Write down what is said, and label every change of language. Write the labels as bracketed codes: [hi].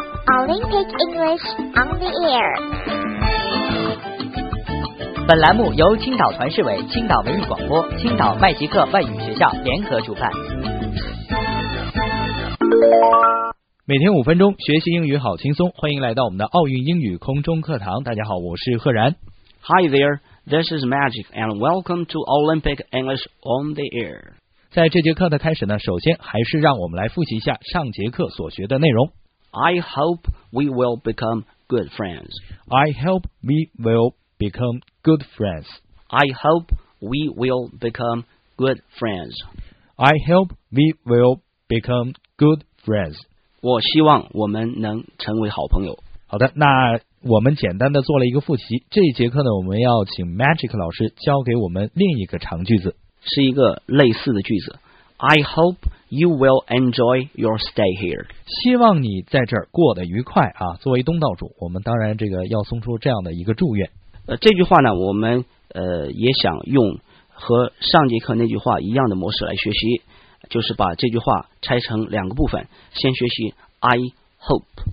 [en] Olympic English on the air。 [zh] 本栏目由青岛团市委青岛文艺广播青岛麦吉克外语学校联合主办。每天五分钟学习英语好轻松，欢迎来到我们的奥运英语空中课堂。大家好，我是赫然。 [en] Hi there, this is Magic and welcome to Olympic English on the air。 [zh] 在这节课的开始呢，首先还是让我们来复习一下上节课所学的内容。 [en] I hope we will become good friends. I hope we will become good friends. I hope we will become good friends. I hope we will become good friends. [zh] 我希望我们能成为好朋友。好的，那我们简单的做了一个复习。这一节课呢，我们要请 Magic 老师教给我们另一个长句子，是一个类似的句子。 [en] I hope you will enjoy your stay here。 [zh] 希望你在这儿过得愉快啊。作为东道主，我们当然这个要送出这样的一个祝愿。这句话呢，我们也想用和上节课那句话一样的模式来学习，就是把这句话拆成两个部分，先学习 [en] I hope,